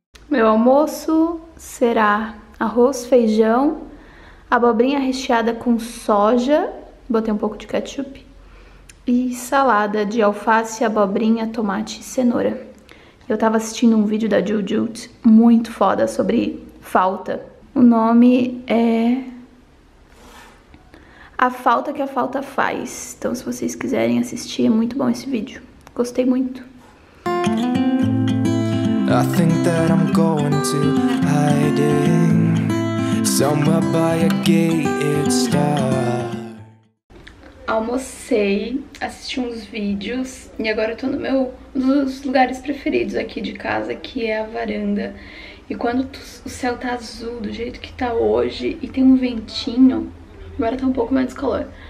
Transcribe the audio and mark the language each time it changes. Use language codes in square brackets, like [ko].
[pt] Meu almoço será arroz, feijão, abobrinha recheada com soja, botei um pouco de ketchup, e salada de alface, abobrinha, tomate e cenoura. Eu tava assistindo um vídeo da Jujut muito foda sobre falta. O nome é A Falta que a Falta Faz. Então, se vocês quiserem assistir, é muito bom esse vídeo. Gostei muito. [en] I think that I'm going to hide in somewhere by a gated star. [pt] Almocei, assisti uns vídeos e agora eu tô no meu, um dos lugares preferidos aqui de casa, que é a varanda. E quando o céu tá azul do jeito que tá hoje e tem um ventinho, agora tá um pouco mais calor.